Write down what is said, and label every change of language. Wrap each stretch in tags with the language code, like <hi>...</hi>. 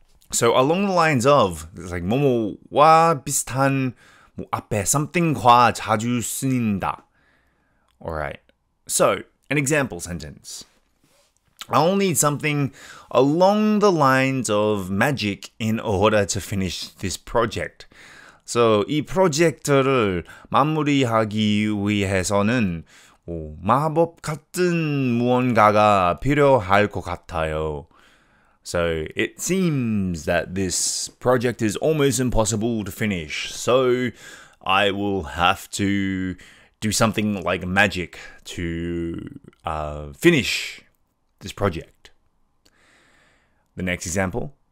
<en>So, along the lines of, it's like</en> <ko>뭐뭐와 비슷한 뭐 앞에 something과 자주 쓰인다.</ko> <en>Alright. So, an example sentence. I'll need something along the lines of magic in order to finish this project.</en> <ko>So, 이 프로젝트를 마무리하기 위해서는 오, 마법 같은 무언가가 필요할 것 같아요.</ko> <en>So, it seems that this project is almost impossible to finish. So, I will have to do something like magic to finish this project. The next example.</en>